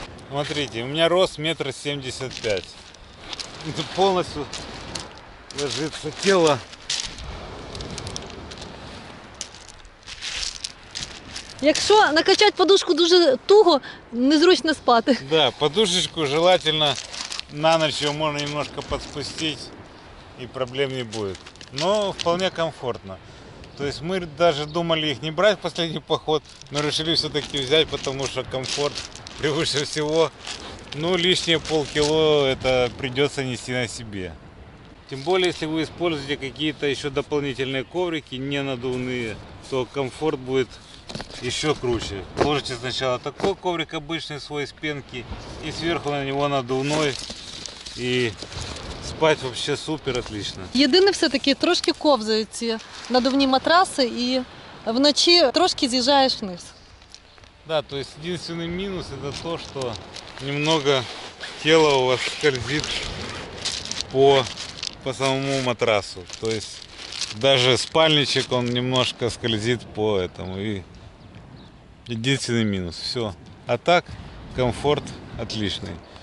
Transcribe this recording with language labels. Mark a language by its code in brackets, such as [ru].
[ru] Смотрите, у меня рост 1,75 м. Полностью ложится тело. [uk] Якщо накачать подушку дуже туго, незручно спати. [ru] Да, подушечку желательно на ночь, его можно немножко подспустить и проблем не будет. Но вполне комфортно. То есть мы даже думали их не брать в последний поход, но решили все-таки взять, потому что комфорт превыше всего. Ну, лишние полкило это придется нести на себе. Тем более, если вы используете какие-то еще дополнительные коврики, не надувные, то комфорт будет еще круче. Ложите сначала такой коврик обычный свой из пенки и сверху на него надувной. И Спать взагалі супер, отлично. [uk] Єдине все-таки трошки ковзають ці надувні матраси і вночі трошки з'їжджаєш вниз. [ru] Да, то есть единственный минус это то, что немного тело у вас скользит по самому матрасу. То есть даже спальничек он немножко скользит по этому. И единственный минус. Все. А так комфорт отличный.